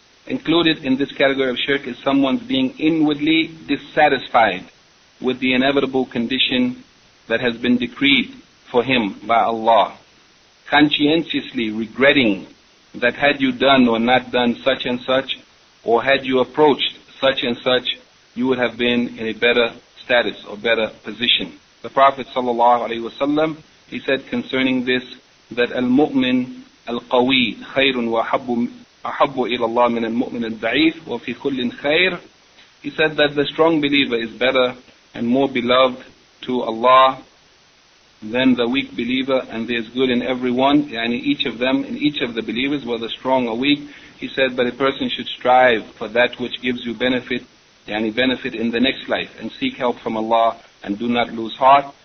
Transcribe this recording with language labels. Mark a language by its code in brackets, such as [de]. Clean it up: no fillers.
[en] Included in this category of shirk is someone's being inwardly dissatisfied with the inevitable condition that has been decreed for him by Allah, conscientiously regretting that had you done or not done such and such, or had you approached such and such, you would have been in a better status or better position. The Prophet ﷺ, he said concerning this, that al-mu'min [ar] القوي خير وأحب إلى الله من المؤمن الضعيف وفي كل خير. [en] He said that the strong believer is better and more beloved to Allah than the weak believer, and there is good in everyone, and in each of them, in each of the believers, whether strong or weak. He said, but a person should strive for that which gives you benefit, any benefit in the next life, and seek help from Allah, and do not lose heart.